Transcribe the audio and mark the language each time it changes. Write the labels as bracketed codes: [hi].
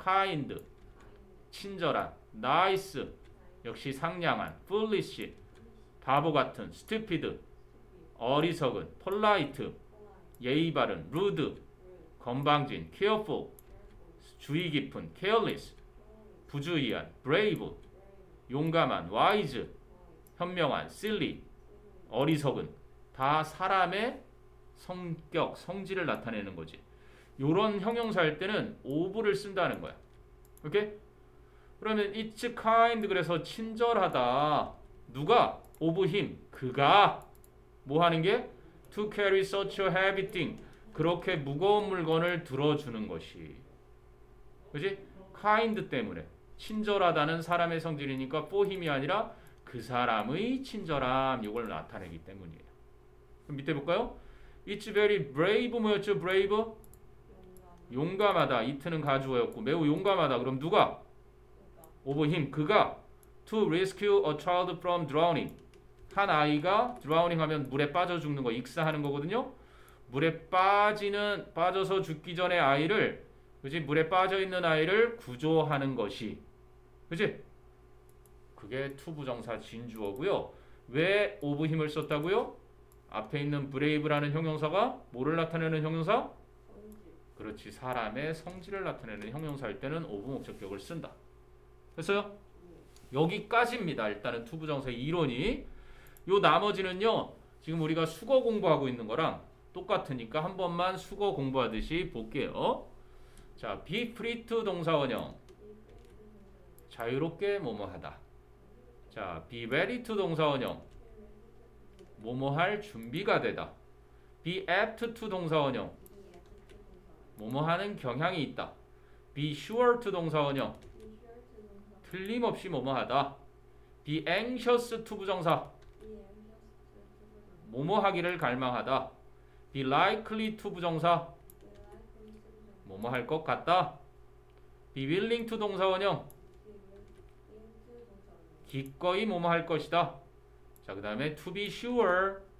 [ko] kind, 친절한, nice, 역시 상냥한, foolish, 바보 같은, stupid, 어리석은, polite, 예의 바른, rude, 건방진, careful, 주의 깊은, careless, 부주의한, brave, 용감한, wise, 현명한, silly, 어리석은, 다 사람의 성격, 성질을 나타내는 거지. 요런 형용사일 때는 of를 쓴다는 거야. 오케이? 그러면 it's kind, 그래서 친절하다. 누가? of him. 그가 뭐 하는 게? [en] to carry such a heavy thing. [ko] 그렇게 무거운 물건을 들어주는 것이. 그지? kind 때문에. 친절하다는 사람의 성질이니까 for him이 아니라 그 사람의 친절함. 이걸 나타내기 때문이에요. 그럼 밑에 볼까요? [en] It's very brave. [ko] 뭐였죠? brave? 용감하다. it는 가주어였고 매우 용감하다. 그럼 누가? of him. 그가 [en] to rescue a child from drowning. [ko] 한 아이가 drowning 하면 물에 빠져 죽는 거, 익사하는 거거든요. 물에 빠져서 죽기 전에 아이를, 그지? 물에 빠져 있는 아이를 구조하는 것이. 그지? 그게 to 부정사 진주어고요. 왜 of him을 썼다고요? 앞에 있는 브레이브라는 형용사가 뭐를 나타내는 형용사? 그렇지, 사람의 성질을 나타내는 형용사일 때는 of 목적격을 쓴다. 됐어요? 여기까지입니다. 일단은 to 부정사의 이론이. 요 나머지는요, 지금 우리가 숙어 공부하고 있는 거랑 똑같으니까 한 번만 숙어 공부하듯이 볼게요. [en] 자, be free to 동사원형. [ko] 자유롭게 뭐뭐하다. [en] 자, be ready to 동사원형. [ko] 뭐뭐 할 준비가 되다. [en] Be apt to 동사원형. [ko] 뭐뭐 하는 경향이 있다. [en] Be sure to 동사원형. [ko] 틀림없이 뭐뭐 하다. [en] Be anxious to 부정사. [ko] 뭐뭐 하기를 갈망하다. [en] Be likely to 부정사. [ko] 뭐뭐 할것 같다. [en] Be willing to 동사원형. [ko] 기꺼이 뭐뭐 할 것이다. 자, 그 다음에 [en] to be sure.